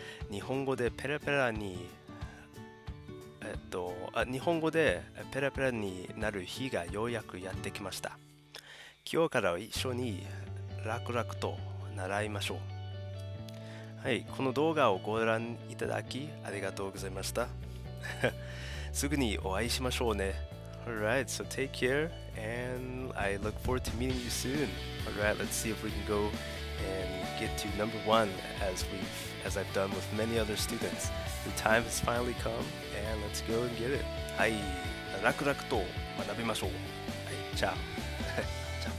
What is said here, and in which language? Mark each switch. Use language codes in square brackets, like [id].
[ja] 日本語でペラペラに、日本語でペラペラになる日がようやくやってきました。今日から一緒に楽々と習いましょう。はい、この動画をご覧いただきありがとうございましたすぐにお会いしましょうね。 [en] Alright, so take care and I look forward to meeting you soon. Alright, let's see if we can go and get to number one as I've done with many other students. The time has finally come and let's go and get it. [ja] はい、楽々と学びましょう。はい、チャオ